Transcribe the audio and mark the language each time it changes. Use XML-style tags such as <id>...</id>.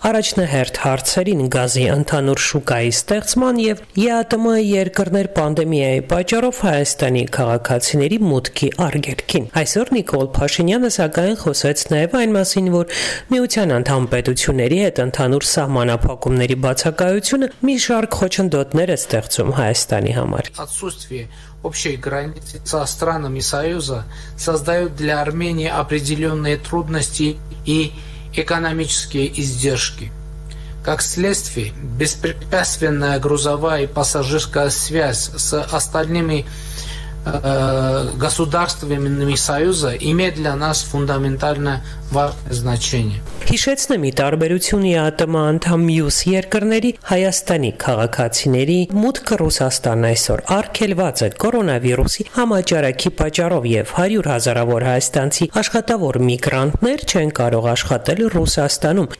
<hy>առաջնահերթ հարցերին՝ գազի ընդհանուր շուկայի ստեղծման և ԵԱՏՄ երկրներ պանդեմիայի պատճառով Հայաստանի քաղաքացիների մուտքի արգելքին։ Այսօր Նիկոլ Փաշինյանը սակայն խոսեց նաև այն մասին, որ միության անդամ պետությունների հետ ընդհանուր սահմանափակումների բացակայությունը մի շարք խոչընդոտներ է ստեղծում Հայաստանի համար։</hy> <ru>Общие границы со странами Союза создают для Армении определенные трудности и экономические издержки. Как следствие, беспрепятственная грузовая и пассажирская связь с остальными государствами Союза имеет для нас фундаментально важное значение.</ru> <hy>Հիշեցնեմ, ի տարբերություն ԱՏՄ անդամ մյուս երկրների, Հայաստանի քաղաքացիների մուտքը Ռուսաստան այսօր արգելված է կորոնավիրուսի համաճարակի պատճառով եւ 100 հազարավոր հայաստանցի աշխատավոր միգրանտներ չեն կարող աշխատել Ռուսաստանում,</hy>